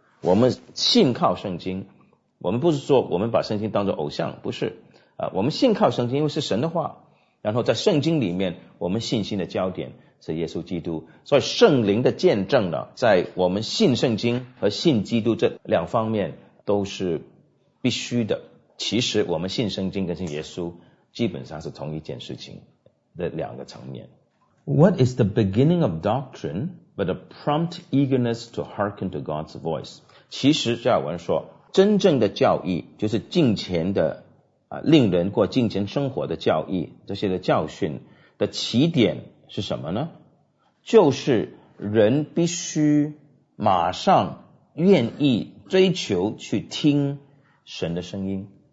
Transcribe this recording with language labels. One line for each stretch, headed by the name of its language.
Chinese: 我们信靠圣经，我们不是说我们把圣经当作偶像，不是我们信靠圣经，因为是神的话，然后在圣经里面我们信心的焦点是耶稣基督。所以圣灵的见证呢，在我们信圣经和信基督这两方面都是必须的。其实我们信圣经跟信耶稣基本上是同一件事情的两个层面。
English: What is the beginning of doctrine but a prompt eagerness to hearken to God's voice?
Chinese: 其实加尔文说，真正的教义就是敬虔的令人过敬虔生活的教义，这些的教训的起点是什么呢？就是人必须马上愿意追求去听神的声音。